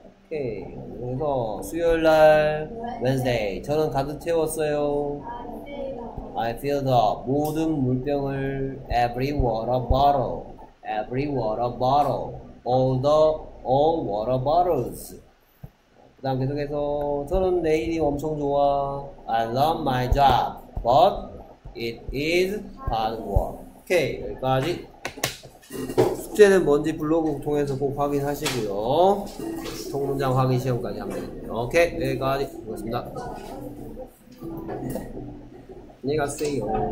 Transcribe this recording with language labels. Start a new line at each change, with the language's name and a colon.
Korean: 오케이. 그래서 수요일 날 Wednesday 저는 가득 채웠어요.
English: I filled up
Korean: 모든 물병을
English: every water bottle, every water bottle, all water bottles.
Korean: 그다음 계속해서 저는 내 일이 엄청 좋아.
English: I love my job, but it is hard work.
Korean: 오케이, 여기까지. 숙제는 뭔지 블로그 통해서 꼭 확인하시고요. 통문장 확인 시험까지 하면 되겠네요. 오케이, 여기까지 고맙습니다. 안녕히 가세요.